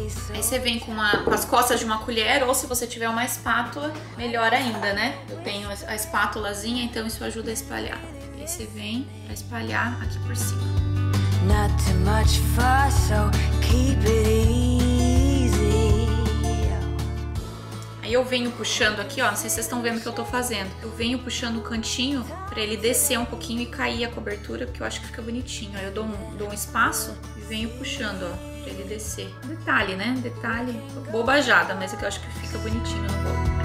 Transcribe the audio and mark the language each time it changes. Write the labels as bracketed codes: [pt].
[pt] Aí você vem com as costas de uma colher, ou se você tiver uma espátula, melhor ainda, né? Eu tenho a espátulazinha, então isso ajuda a espalhar. Aí você vem pra espalhar aqui por cima. [en] Not too much fuss, so keep it easy. [pt] Aí eu venho puxando aqui, ó, não sei se vocês estão vendo o que eu tô fazendo. Eu venho puxando o cantinho pra ele descer um pouquinho e cair a cobertura, porque eu acho que fica bonitinho. Aí eu dou um espaço e venho puxando, ó, pra ele descer. Detalhe, né? Detalhe bobajada, mas é que eu acho que fica bonitinho no bolo.